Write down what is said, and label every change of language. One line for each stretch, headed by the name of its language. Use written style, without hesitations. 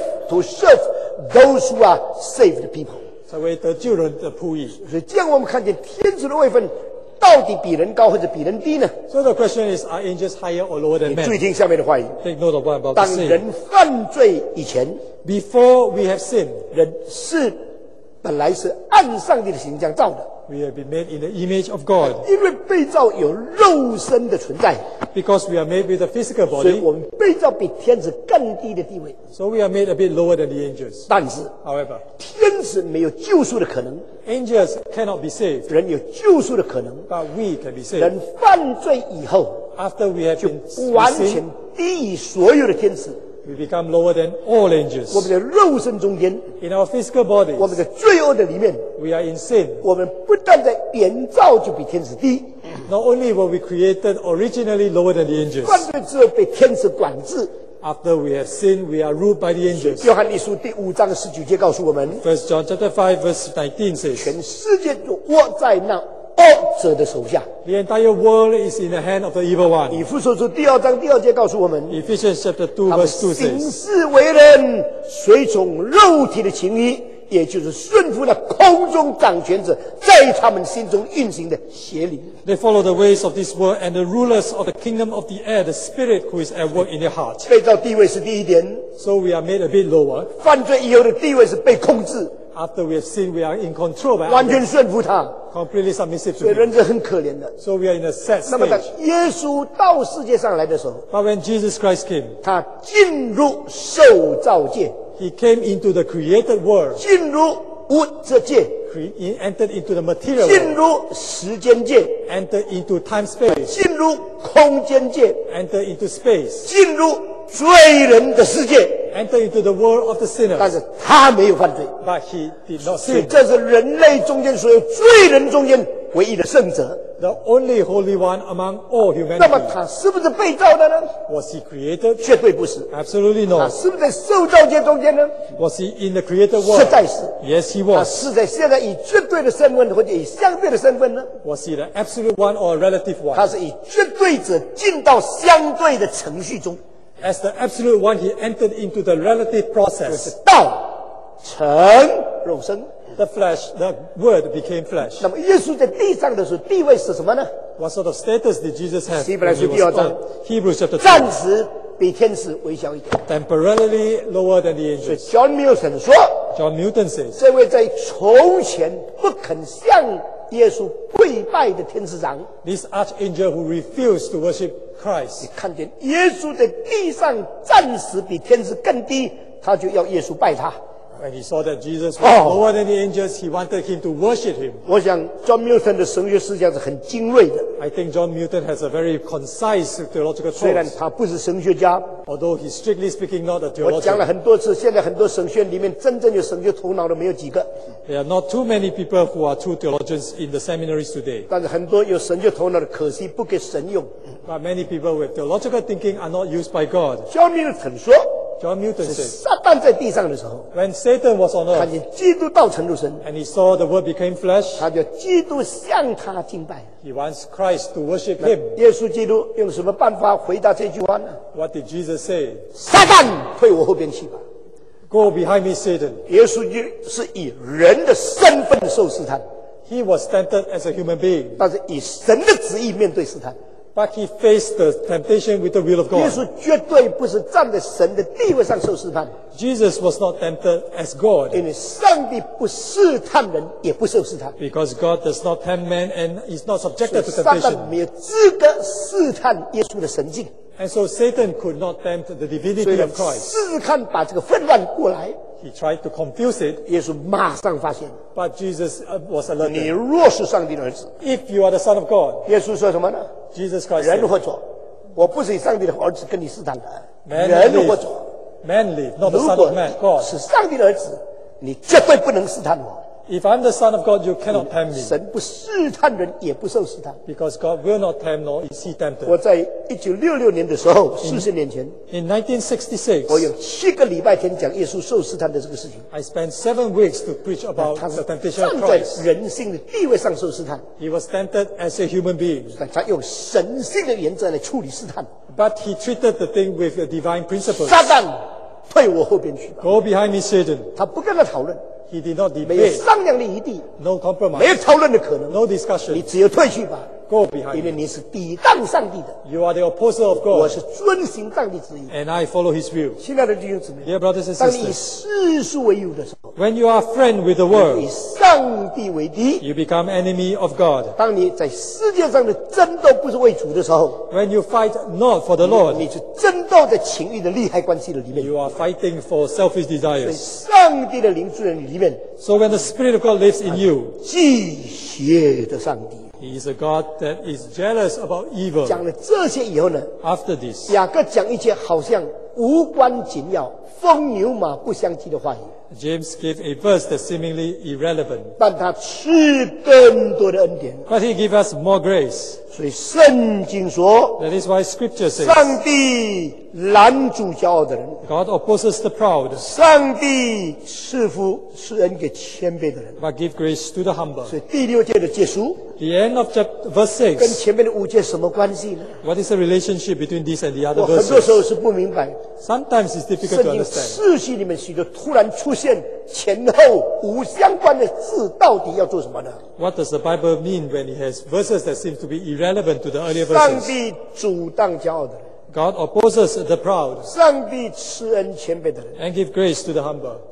English: To serve those who are saved people.
Chinese: 成为得救人的仆役。所以这样我们看见天使的位分到底比人高或者比人低呢？
English: So the question is, are angels higher or lower than men?
Chinese: 你注意听下面的话语。
English: Take note of what I'm about to say.
Chinese: 当人犯罪以前，
English: Before we have sinned,
Chinese: 人是本来是按上帝的形象造的。
English: We have been made in the image of God.
Chinese: 因为被造有肉身的存在。
English: Because we are made with a physical body.
Chinese: 所以我们被造比天使更低的地位。
English: So we are made a bit lower than the angels.
Chinese: 但是
English: ，However，
Chinese: 天使没有救赎的可能。
English: Angels cannot be saved.
Chinese: 人有救赎的可能。
English: But we can be saved.
Chinese: 人犯罪以后
English: ，After we have been sinned，
Chinese: 就完全低于所有的天使。
English: We become lower than all angels.
Chinese: 我们的肉身中间，
English: in our physical bodies,
Chinese: 我们的罪恶的里面，
English: we are in sin.
Chinese: 我们不但在原造就比天使低，
English: not only were we created originally lower than the angels.
Chinese: 犯罪之后被天使管制。
English: After we have sinned, we are ruled by the angels.
Chinese: 约翰一书第五章十九节告诉我们，
English: First John chapter 5 verse 19 says,
Chinese: 全世界都握在那恶者的手下。
English: The entire world is in the hand of the evil one.
Chinese: 以弗所书第二章第二节告诉我们，
English: Ephesians chapter 2 verse 2 says,
Chinese: 他们行事为人随从肉体的情欲，也就是顺服那空中掌权者在他们心中运行的邪灵。
English: They follow the ways of this world and the rulers of the kingdom of the air, the spirit who is at work in their heart.
Chinese: 被造地位是低一点，
English: So we are made a bit lower.
Chinese: 犯罪以后的地位是被控制。
English: After we have sinned, we are in control by others.
Chinese: 完全顺服他。
English: Completely submissive to him.
Chinese: 所以人是很可怜的。
English: So we are in a sad stage.
Chinese: 那么当耶稣到世界上来的时候，
English: But when Jesus Christ came,
Chinese: 他进入受造界。
English: He came into the created world.
Chinese: 进入物质界。
English: He entered into the material world.
Chinese: 进入时间界。
English: Entered into time space.
Chinese: 进入空间界。
English: Entered into space.
Chinese: 进入罪人的世界。
English: Enter into the world of the sinners.
Chinese: 但是他没有犯罪。
English: But he did not sin.
Chinese: 这是人类中间所有罪人中间唯一的圣者。
English: The only holy one among all humanity.
Chinese: 那么他是不是被造的呢？
English: Was he created?
Chinese: 绝对不是。
English: Absolutely not.
Chinese: 他是不是在受造界中间呢？
English: Was he in the created world?
Chinese: 实在是。
English: Yes, he was.
Chinese: 他是在现在以绝对的身份或者以相对的身份呢？
English: Was he the absolute one or a relative one?
Chinese: 他是以绝对者进到相对的程序中。
English: As the absolute one, he entered into the relative process.
Chinese: 就是道成肉身。
English: The flesh, the word became flesh.
Chinese: 那么耶稣在地上的时候地位是什么呢？
English: What sort of status did Jesus have?
Chinese: 希伯来书第二章。
English: Hebrews chapter 2.
Chinese: 暂时比天使微小一点。
English: Temporarily lower than the angels.
Chinese: 所以 John Milton 说，
English: John Milton says,
Chinese: 这位在从前不肯向耶稣跪拜的天使长，
English: This archangel who refused to worship Christ，
Chinese: 你看见耶稣在地上暂时比天使更低，他就要耶稣拜他。
English: When he saw that Jesus was lower than the angels, he wanted him to worship him.
Chinese: 我想 John Milton 的神学思想是很精锐的。
English: I think John Milton has a very concise theological thought.
Chinese: 虽然他不是神学家，
English: although he's strictly speaking not a theologian.
Chinese: 我讲了很多次，现在很多神学里面真正有神学头脑的没有几个。
English: There are not too many people who are true theologians in the seminaries today.
Chinese: 但是很多有神学头脑的可惜不给神用。
English: But many people with theological thinking are not used by God.
Chinese: John Milton 说，
English: John Milton said,
Chinese: 撒旦在地上的时候，
English: When Satan was on earth,
Chinese: 看见基督道成肉身，
English: And he saw the word became flesh,
Chinese: 他就基督向他敬拜。
English: He wants Christ to worship him.
Chinese: 耶稣基督用什么办法回答这句话呢？
English: What did Jesus say?
Chinese: 撒旦退我后边去吧。
English: Go behind me, Satan.
Chinese: 耶稣是以人的身份受试探。
English: He was tempted as a human being.
Chinese: 但是以神的旨意面对试探。
English: But he faced the temptation with the will of God.
Chinese: 耶稣绝对不是站在神的地位上受试探。
English: Jesus was not tempted as God.
Chinese: 因为上帝不试探人，也不受试探。
English: Because God does not tempt man and is not subjected to temptation.
Chinese: 撒旦没有资格试探耶稣的神迹。
English: And so Satan could not tempt the divinity of Christ.
Chinese: 试探把这个混乱过来。
English: He tried to confuse it.
Chinese: 耶稣马上发现。
English: But Jesus was alerted.
Chinese: 你若是上帝的儿子。
English: If you are the son of God.
Chinese: 耶稣说什么呢？
English: Jesus Christ.
Chinese: 人或者，我不是以上帝的儿子跟你试探的。
English: Man
Chinese: 人或者，
English: man live, not the Son of Man, God.
Chinese: 是上帝的儿子, 你绝对不能试探我。
English: If I'm the Son of God, you cannot tempt me.
Chinese: 神不试探人, 也不受试探。
English: Because God will not tempt nor is he tempted.
Chinese: 我在1966年的时候, 40年前,
English: in 1966,
Chinese: 我有7个礼拜天讲耶稣受试探的这个事情。
English: I spent 7 weeks to preach about the temptation of Christ.
Chinese: 他站在人性的地位上受试探。
English: He was tempted as a human being.
Chinese: 他用神性的原则来处理试探。
English: But he treated the thing with a divine principle.
Chinese: 撒旦退我后边去吧。
English: Go behind me, Satan.
Chinese: 他不跟他讨论。
English: He did not debate.
Chinese: 没有商量的余地,
English: no compromise.
Chinese: 没有讨论的可能,
English: no discussion.
Chinese: 你只有退去吧,
English: go behind.
Chinese: 因为你是抵挡上帝的,
English: you are the opposer of God.
Chinese: 我是遵行上帝旨意,
English: and I follow his will.
Chinese: 亲爱的弟兄姊妹,
English: dear brothers and sisters,
Chinese: 当你以世事为友的时候,
English: when you are friend with the world,
Chinese: 你以上帝为敌,
English: you become enemy of God.
Chinese: 当你在世界上的争斗不是为主的时候,
English: when you fight not for the Lord,
Chinese: 你是争斗的情欲的利害关系的里面,
English: you are fighting for selfish desires.
Chinese: 上帝的灵住在你里面,
English: so when the Spirit of God lives in you,
Chinese: 忌邪的上帝,
English: he is a God that is jealous about evil.
Chinese: 讲了这些以后呢,
English: after this,
Chinese: 雅各讲一些好像无关紧要、风牛马不相及的话语。
English: James gave a verse that's seemingly irrelevant.
Chinese: 但他赐更多的恩典,
English: but he gave us more grace.
Chinese: 所以圣经说,
English: that is why scripture says,
Chinese: 上帝拦阻骄傲的人,
English: God opposes the proud.
Chinese: 上帝赐恩给谦卑的人,
English: but give grace to the humble.
Chinese: 所以第六节的结束,
English: the end of chapter, verse 6,
Chinese: 跟前面的五节什么关系呢?
English: What is the relationship between this and the other verses?
Chinese: 我很多时候是不明白,
English: sometimes it's difficult to understand.
Chinese: 圣经世系里面许多突然出 前后无相关的字到底要做什么呢?
English: What does the Bible mean when it has verses that seem to be irrelevant to the earlier verses?
Chinese: 上帝阻挡骄傲的,
English: God opposes the proud.
Chinese: 上帝赐恩谦卑的人,
English: and give grace to the humble.